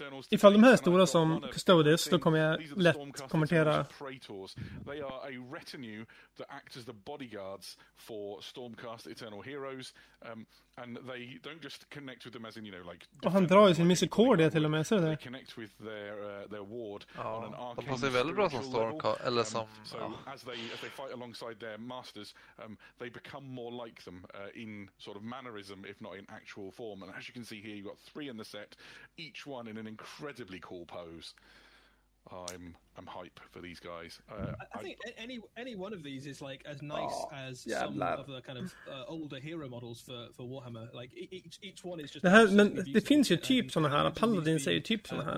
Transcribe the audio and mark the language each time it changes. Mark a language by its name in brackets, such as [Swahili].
[Swedish] Ifall de här stora som Custodes, då kommer jag lätt konvertera. [English] They are a retinue that act as the bodyguards for Stormcast Eternal Heroes. And they don't just connect with them as in, you know, like... [Swedish] Och han drar ju sin misericordia till och med, ser du det? [English] They connect with their ward on an arcane spiritual level. [Swedish] Ja, de passar ju väldigt bra som Stormcast, eller som... [English] So as they fight alongside their masters, they become more like them in sort of mannerism, if not in actual form. And as you can see here, you've got three in the set, each one in an incredibly cool pose. I'm hype for these guys. I think any one of these is like as nice as some of the kind of older hero models for Warhammer. Like each one is just. [Swedish] Det här, men det finns ju typ såna här. Paladin säger typ såna här.